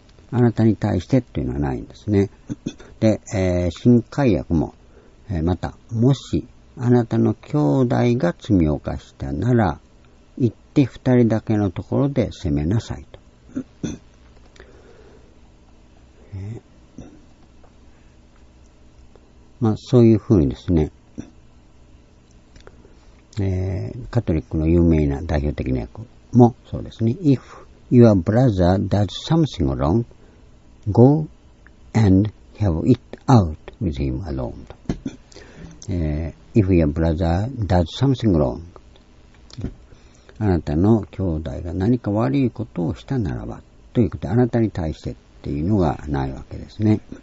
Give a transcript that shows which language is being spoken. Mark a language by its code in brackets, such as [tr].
[ja] あなたに対してというのはないんですね。で、新改訳も、またもしあなたの兄弟が罪を犯したなら行って二人だけのところで責めなさいと。まあそういうふうにですね、カトリックの有名な代表的な訳もそうですね。 [en] If your brother does something wrong, go and have it out with him alone. If your brother does something wrong, [ja] あなたの兄弟が何か悪いことをしたならば、ということであなたに対してっていうのがないわけですね。